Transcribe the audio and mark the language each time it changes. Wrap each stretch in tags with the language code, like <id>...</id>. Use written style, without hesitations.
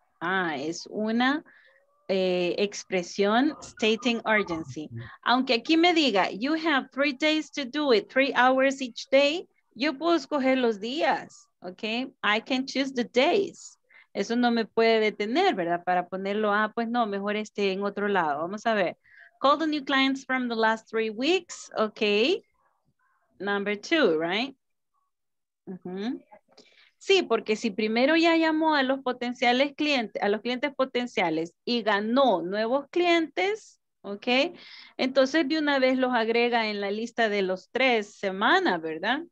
<es>Ah, es una expresión</es> <en>stating urgency.</en> <es>Aunque aquí me diga,</es> <en>you have 3 days to do it, 3 hours each day,</en> <es>yo puedo escoger los días, okay,</es> <en>I can choose the days.</en> <es>Eso no me puede detener, ¿verdad? Para ponerlo, ah, pues no, mejor esté en otro lado. Vamos a ver.</es> <en>call the new clients from the last 3 weeks. Okay. Number two, right? Mm-hmm.</en> <es>Sí, porque si primero ya llamó a los potenciales clientes, a los clientes potenciales y ganó nuevos clientes, ¿ok? Entonces de una vez los agrega en la lista de los 3 semanas, ¿verdad?</es>